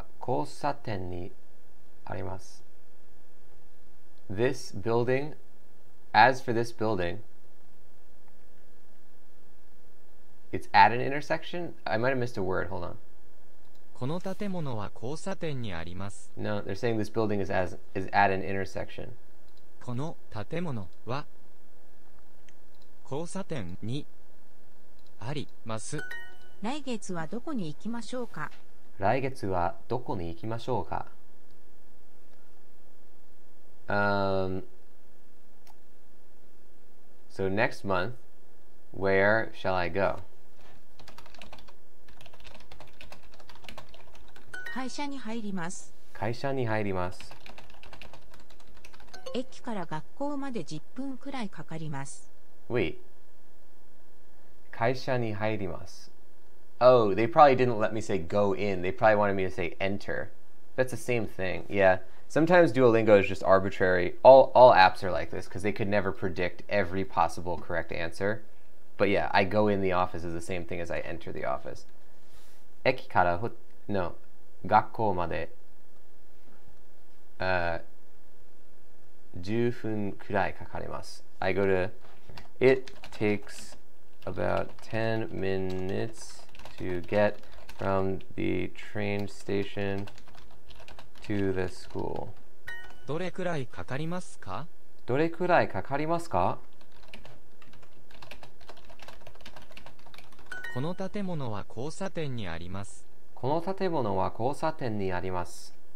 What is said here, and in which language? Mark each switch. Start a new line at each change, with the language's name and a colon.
Japanese: この建物は交差点にあります。この建物は交差点にあります。
English: This building, as for this building, it's at an intersection? I might have missed a word. Hold on.
Japanese: この建物は交差点にあります。
English: No, they're saying this building is at an intersection.
Japanese: この建物は交差点にあります。来月はどこに行きましょうか? 来月はどこに行きましょうか?
English: So next month, where shall I go?
Japanese: 会社に入ります。会社に入ります。駅から学校まで10分くらいかかります。
English: Wait.
Japanese: 会社に入ります。
English: Oh, they probably didn't let me say go in. They probably wanted me to say enter. That's the same thing. Yeah. Sometimes Duolingo is just arbitrary. All apps are like this because they could never predict every possible correct answer. But yeah, I go in the office is the same thing as I enter the office.
Japanese: 駅から学校まで10分くらいかかります。
English: I go to... It takes about 10 minutes to get from the train station to the school.
Japanese: どれくらいかかりますか？どれくらいかかりますか？この建物は交差点にあります。この建物は交差点にあります。